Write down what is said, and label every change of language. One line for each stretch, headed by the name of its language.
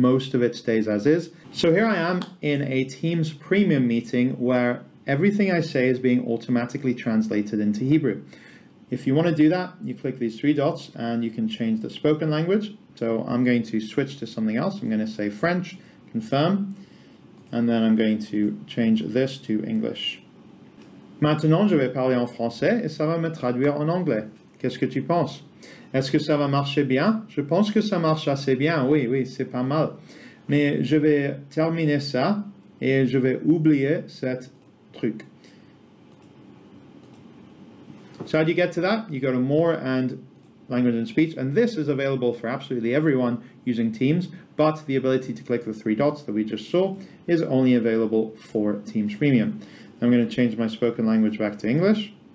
English: Most of it stays as is. So here I am in a Teams Premium meeting where everything I say is being automatically translated into Hebrew. If you want to do that, you click these three dots and you can change the spoken language. So I'm going to switch to something else. I'm going to say French, confirm, and then I'm going to change this to English.
French: Maintenant, je vais parler en français et ça va me traduire en anglais. Qu'est-ce que tu penses? Est-ce que ça va marcher bien? Je pense que ça marche assez bien. Oui, oui, c'est pas mal. Mais je vais terminer ça et je vais oublier cet truc.
English: So how do you get to that? You go to More and Language and Speech. And this is available for absolutely everyone using Teams. But the ability to click the three dots that we just saw is only available for Teams Premium. I'm going to change my spoken language back to English.